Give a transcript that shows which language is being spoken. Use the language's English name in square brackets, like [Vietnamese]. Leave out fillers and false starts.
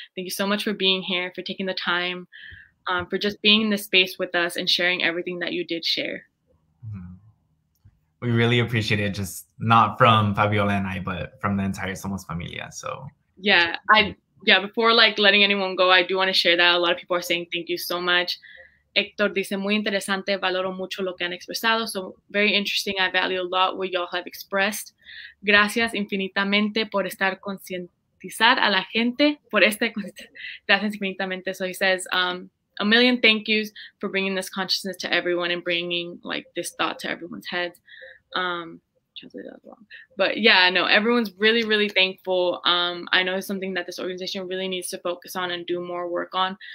[English] Thank you so much for being here, for taking the time, for just being in this space with us and sharing everything that you did share. We really appreciate it, just not from Fabiola and I, but from the entire Somos Familia, so. Yeah, before like letting anyone go, I do want to share that. A lot of people are saying thank you so much. [Spanish] Hector dice, muy interesante, valoro mucho lo que han expresado. [English] So very interesting, I value a lot what y'all have expressed. [Spanish] Gracias infinitamente por estar concientizar a la gente por este, gracias infinitamente. [English] So he says, a million thank yous for bringing this consciousness to everyone and bringing like this thought to everyone's heads. Translate that wrong. But yeah, no, everyone's really, really thankful. I know it's something that this organization really needs to focus on and do more work on.